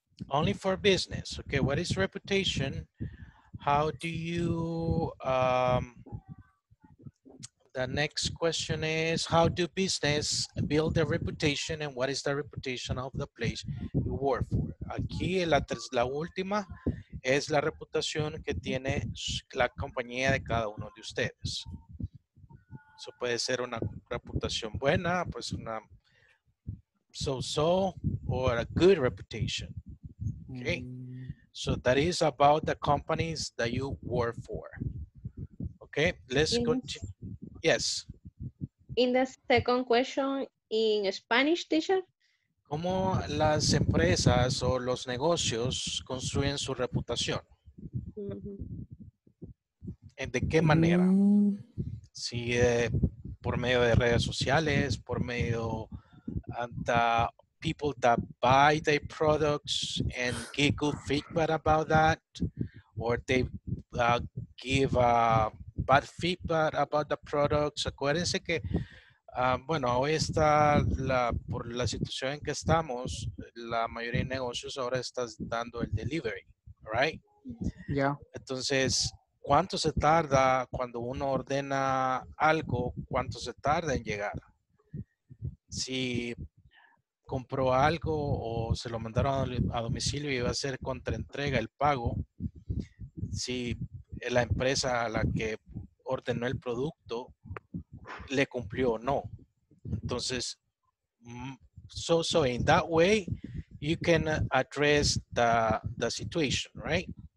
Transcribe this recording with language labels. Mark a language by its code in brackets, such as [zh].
[en] Only for business. Okay, what is reputation? How do you, the next question is, how do business build a reputation and what is the reputation of the place you work for? [es] Aquí la última es la reputación que tiene la compañía de cada uno de ustedes. Eso puede ser una reputación buena, pues una so-so, [en] or a good reputation, [es] okay? [en] So that is about the companies that you work for. Okay, let's continue. Yes. In the second question, in Spanish, teacher? [es] ¿Cómo las empresas o los negocios construyen su reputación? Mm-hmm. ¿De qué manera? Mm-hmm. Si por medio de redes sociales, por medio de... [en] people that buy their products and get good feedback about that, or they give bad feedback about the products. [es] Acuérdense que, bueno, hoy está, por la situación en que estamos, la mayoría de negocios ahora está dando el delivery, right? [en] Yeah. [es] Entonces, ¿cuánto se tarda cuando uno ordena algo? ¿Cuánto se tarda en llegar? Si compró algo o se lo mandaron a domicilio y iba a ser contra entrega el pago, si la empresa a la que ordenó el producto le cumplió o no. [en] Entonces, so in that way, you can address the situation, right?